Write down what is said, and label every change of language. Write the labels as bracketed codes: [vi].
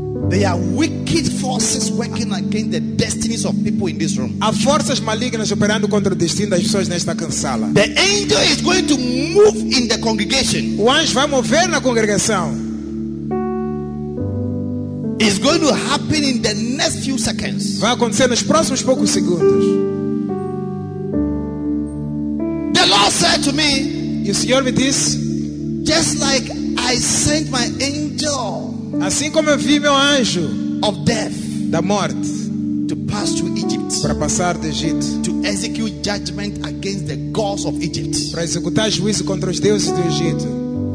[en] There are wicked forces working against the destinies of people in this room. [pt] Há forças malignas operando contra o destino das pessoas nesta sala. [en] The angel is going to move in the congregation. [pt] O anjo vai mover na congregação. [en] It's going to happen in the next few seconds. [pt] Vai acontecer nos próximos poucos segundos. [en] The Lord said to me, [pt] e o Senhor me disse, [en] just like I sent my angel. [pt] Assim como eu vi meu anjo [en] of death, [pt] da morte, [en] to pass to Egypt, [pt] para passar do Egito, [en] to execute judgment against the gods of Egypt, [pt] para executar juízo contra os deuses do Egito,